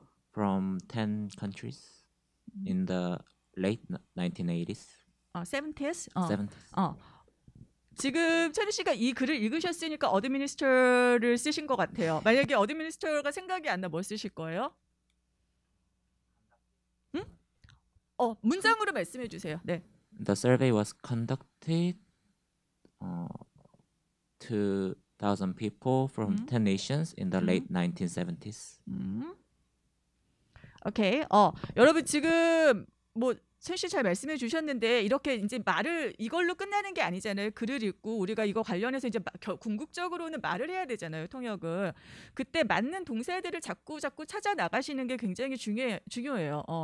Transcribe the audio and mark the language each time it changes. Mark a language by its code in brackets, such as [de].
[en] From 10 countries in the late 1980s. 70s? 70s. [ko] 지금 찬우 씨가 이 글을 읽으셨으니까 어드미니스터를 쓰신 것 같아요. 만약에 어드미니스터가 생각이 안 나, 뭘 쓰실 거예요? 응? 문장으로 말씀해 주세요. 네. [en] The survey was conducted to 1,000 people from 10 nations in the late 1970s. [ko] 오케이. 여러분 지금 뭐 첸씨 잘 말씀해 주셨는데 이렇게 이제 말을 이걸로 끝나는 게 아니잖아요. 글을 읽고 우리가 이거 관련해서 이제 궁극적으로는 말을 해야 되잖아요. 통역은 그때 맞는 동사들을 자꾸 찾아 나가시는 게 굉장히 중요해요.